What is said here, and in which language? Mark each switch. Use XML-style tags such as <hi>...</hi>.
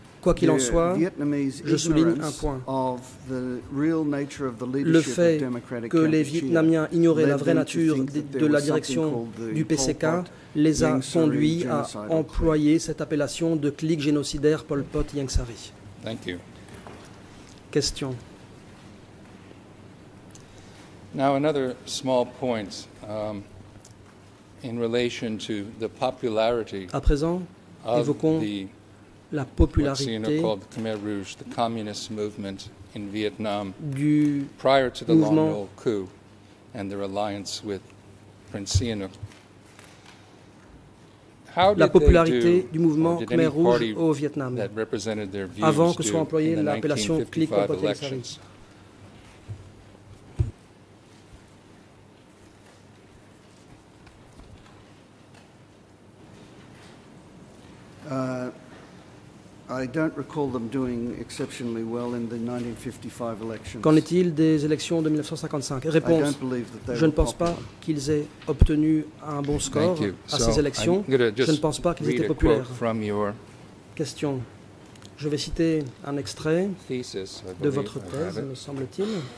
<fr>quoi qu'il en soit, je souligne un point. Le fait que les Vietnamiens ignoraient la vraie nature de la direction du PCK les a conduits à employer cette appellation de clique génocidaire Pol Pot Yang Sari.</fr> <en>Thank you. Question. Now another small point in relation to the popularity.</en> <fr>À présent, évoquons la popularité</fr> <en>Khmer Rouge, the communist movement in Vietnam,</en> <fr>du</fr> <en>prior to the Long Ngo coup and their alliance with Prince Sihanouk. How did</en> <fr>la popularité du mouvement Khmer Rouge au Vietnam avant que soit employée l'appellation clique Pol Pot Yang Sari.</fr> <en>I don't recall them doing exceptionally well in the 1955 elections.</en> <fr>Qu'en est-il des élections de 1955? Réponse, je ne pense pas qu'ils aient obtenu un bon score à ces élections. Je ne pense pas qu'ils étaient populaires. Question. Je vais citer un extrait de votre thèse, me semble-t-il.</fr>